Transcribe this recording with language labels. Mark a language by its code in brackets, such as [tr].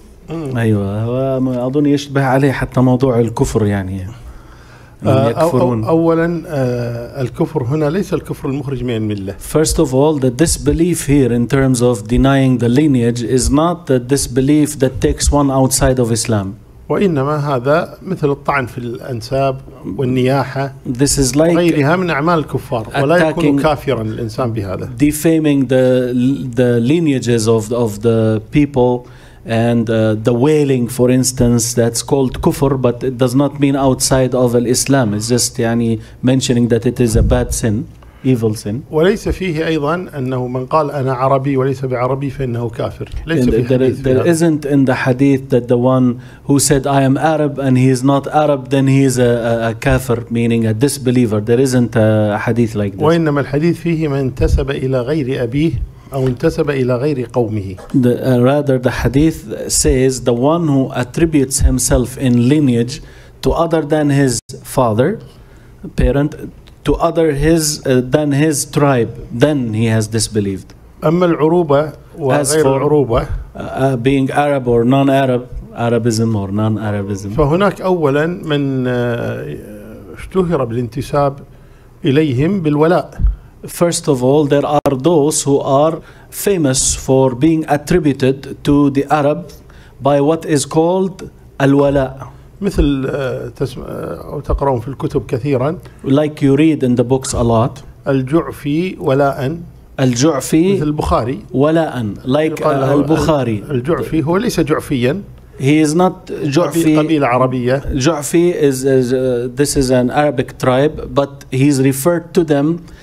[ar] أيوة أظن يشبه عليه حتى موضوع الكفر يعني. يكفرون. أولا الكفر هنا ليس الكفر المخرج من الملة. [en] First of all, the disbelief here in terms of denying the lineage is not the disbelief that takes one outside of Islam. [ar] وإنما هذا مثل الطعن في الأنساب والنياحة. [en] This is like [ar] غيرها من أعمال الكفار ولا يكون كافرا الإنسان بهذا. [en] Defaming the lineages of the people. And the wailing, for instance, that's called kufr, but it does not mean outside of Islam. It's just يعني mentioning that it is a bad sin, evil sin. [ar] وليس فيه أيضا أنه من قال أنا عربي وليس بعربي فإنه كافر. [en] There isn't in the hadith that the one who said I am Arab and he is not Arab, then he is a kafir, meaning a disbeliever. There isn't a hadith like this. [ar] وإنما الحديث فيه من انتسب إلى غير أبيه. أو انتسب إلى غير قومه. [en] Rather, the hadith says the one who attributes himself in lineage to other than his father, parent, to other his than his tribe, then he has disbelieved. [ar] أما العروبة وغير العروبة. [en] Being Arab or non-Arab, Arabism or non-Arabism. [ar] فهناك أولا من اشتهر بالانتساب إليهم بالولاء. [en] First of all, there are those who are famous for being attributed to the Arab by what is called al-wala. [ar] مثل تسمع أو تقرأون في الكتب كثيرا. [en] Like you read in the books a lot. [ar] الجعفي ولاء. الجعفي. مثل البخاري. ولاء. Like البخاري. الجعفي هو ليس جعفيا. [en] He is not جعفي. [ar] قبيلة عربية. [en] جعفي is this is an Arabic tribe, but he is referred to them.